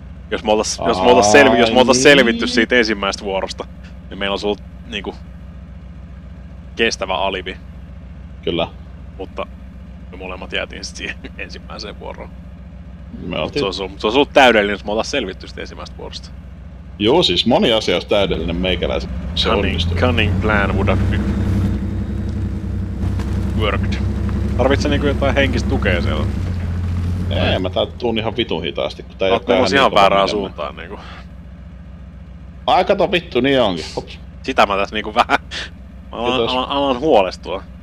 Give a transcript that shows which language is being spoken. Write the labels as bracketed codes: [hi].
[fi] Jos me oltais selvitty siitä ensimmäisestä vuorosta, niin meillä olisi ollut niinku kestävä alibi. Kyllä. Mutta me molemmat jäätiin sit siihen ensimmäiseen vuoroon. Mutta se olisi ollut täydellinen, jos me oltais selvitty siitä ensimmäisestä vuorosta. Joo, siis moni asia olisi täydellinen meikäläisen. [en] Cunning plan would have been worked. [fi] Tarvitsä niinku jotain henkistä tukea siellä? Ei, mä tää tuun ihan vitun hitaasti, kun tää jättää ihan niin väärään suuntaan niinku. Ai kato vittu, niin onkin. Hops. Sitä mä tässä niinku vähän... Mä alan huolestua.